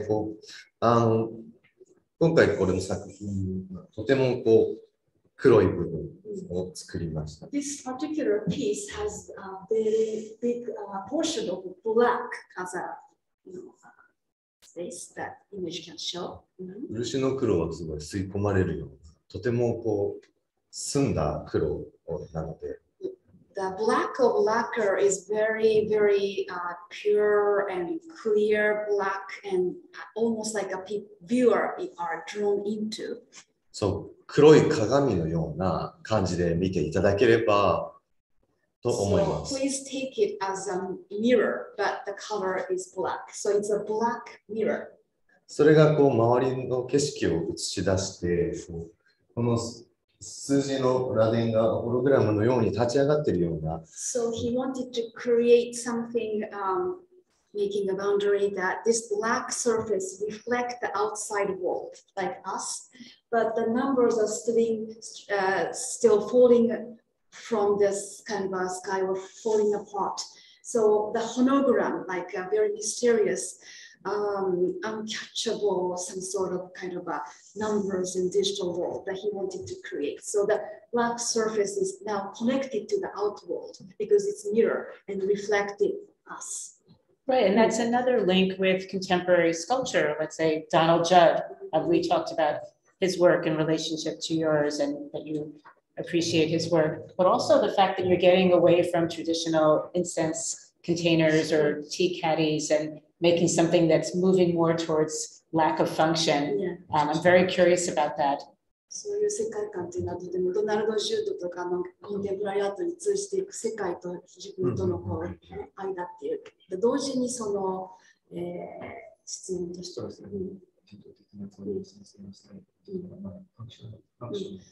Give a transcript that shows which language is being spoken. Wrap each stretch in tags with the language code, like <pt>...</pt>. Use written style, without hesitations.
<ja>こう今回これの作品はとてもこう黒い部分を作りました。</ja> <en>This particular piece has a very big portion of black as a space that image can show.</en> <ja>漆の黒はすごい吸い込まれるような、とてもこう澄んだ黒なので。</ja> <en>The black of lacquer is very, very pure and clear black, and almost like a viewer are drawn into.</en> <ja>So, 黒い鏡のような感じで見ていただければと思います。</ja> <en>So, please take it as a mirror, but the color is black. So, it's a black mirror.</en> <ja>それがこう周りの景色を映し出して、この数字の螺鈿がホログラムのように立ち上がっているような。</ja> <en>So he wanted to create something, making a boundary that this black surface reflect the outside world, like us, but the numbers are still falling from this kind of a sky or falling apart. So the hologram, like a very mysterious uncatchable, some sort of kind of a numbers and digital world that he wanted to create. So the black surface is now connected to the outworld because it's mirror and reflected us. Right, and that's another link with contemporary sculpture. Let's say Donald Judd, we talked about his work in relationship to yours and that you appreciate his work, but also the fact that you're getting away from traditional incense containers or tea caddies and making something that's moving more towards lack of function. Yeah. I'm very curious about that.</en> <ja>そういう世界観というのはとてもドナルド・ジュードとかのコンテンプラリーアートに通じていく世界と自分とのこう間っていう、で同時にその、質問としてですね、伝統的なこういう先生のスタイルというのはまあファクション、</ja>